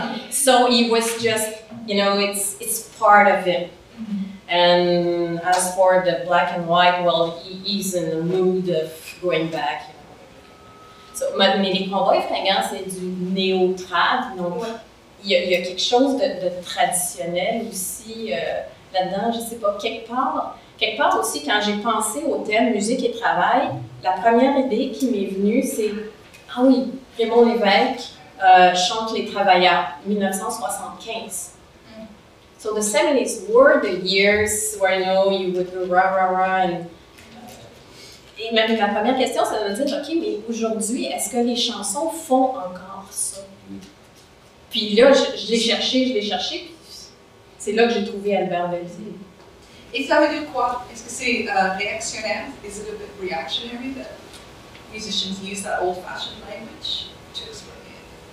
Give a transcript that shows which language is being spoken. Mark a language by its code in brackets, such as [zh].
[en] So he was just, you know, it's part of him. And as for the black and white, well, he is in the mood of going back. [fr] Mais les cowboys fringants, c'est du néo-trad, donc il y a quelque chose de traditionnel aussi là-dedans, je ne sais pas, quelque part aussi, quand j'ai pensé au thème musique et travail, la première idée qui m'est venue, c'est, ah oui, Raymond Lévesque chante Les Travailleurs, 1975. [en] Mm. So the 70s were the years where, you know, you would do rah rah rah and... [fr] Et même la première question, ça veut dire, OK, mais aujourd'hui, est-ce que les chansons font encore ça? Puis là, je l'ai cherché, puis c'est là que j'ai trouvé Albert Velzy. Et ça veut dire quoi? Est-ce que c'est réactionnaire? [en] Is it a bit reactionary that musicians use that old-fashioned language to explain it?